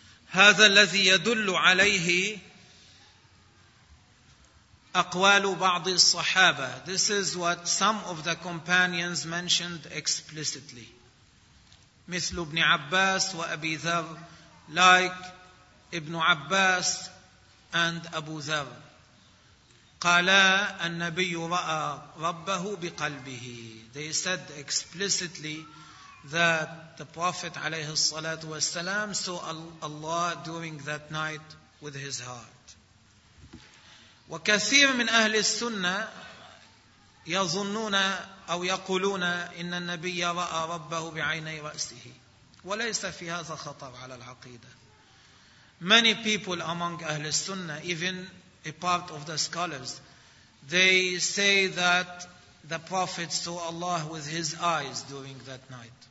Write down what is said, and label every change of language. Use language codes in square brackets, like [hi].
[ar] هذا الذي يدل عليه أقوال بعض الصحابة. [en] This is what some of the companions mentioned explicitly. [ar] مثل ابن عباس وأبي ذر, like ابن عباس and أبو ذر. قالا النبي رأى ربه بقلبه. [en] They said explicitly that the Prophet [ar] عليه الصلاة والسلام [en] saw Allah during that night with his heart. [ar] وكثير من أهل السنة يظنون أو يقولون إن النبي رأى ربه بعيني رأسه, وليس في هذا خطر على العقيدة. [en] Many people among أهل السنة, even a part of the scholars, they say that the Prophet saw Allah with his eyes during that night.